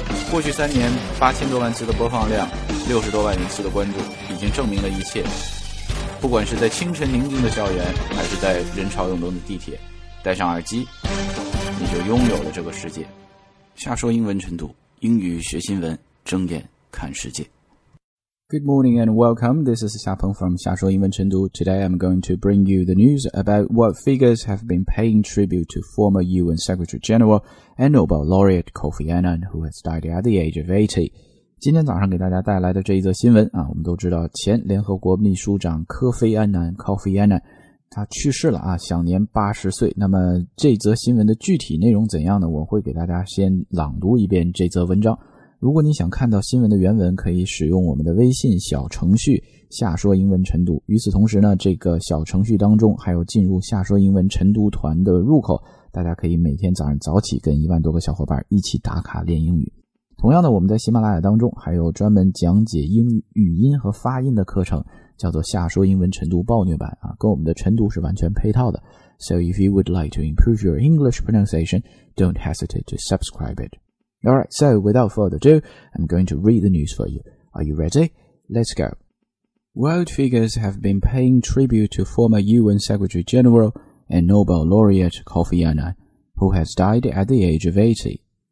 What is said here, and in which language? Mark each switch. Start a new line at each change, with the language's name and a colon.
Chinese: 过去三年，8000多万次的播放量，60多万人次的关注，已经证明了一切。不管是在清晨宁静的校园，还是在人潮涌动的地铁，戴上耳机，你就拥有了这个世界。下说英文晨读，英语学新闻，睁眼看世界。
English: Good morning and welcome. This is Xiaopeng from 夏说英文晨读. Today I'm going to bring you the news about what figures have been paying tribute to former UN Secretary General and Nobel Laureate Kofi Annan, who has died at the age of 80.
Chinese: 今天早上给大家带来的这一则新闻啊，我们都知道前联合国秘书长科菲安南 Kofi Annan 他去世了啊，享年80岁。那么这则新闻的具体内容怎样呢？我会给大家先朗读一遍这则文章。如果你想看到新闻的原文，可以使用我们的微信小程序夏说英文晨读。与此同时呢，这个小程序当中还有进入夏说英文晨读团的入口，大家可以每天早上早起跟10000多个小伙伴一起打卡练英语。同样的，我们在喜马拉雅当中还有专门讲解英语语音和发音的课程，叫做夏说英文晨读暴虐版啊，跟我们的晨读是完全配套的。
English: So if you would like to improve your English pronunciation, don't hesitate to subscribe it. Alright, so without further ado, I'm going to read the news for you. Are you ready? Let's go. World figures have been paying tribute to former UN Secretary General and Nobel Laureate Kofi Annan, who has died at the age of 80.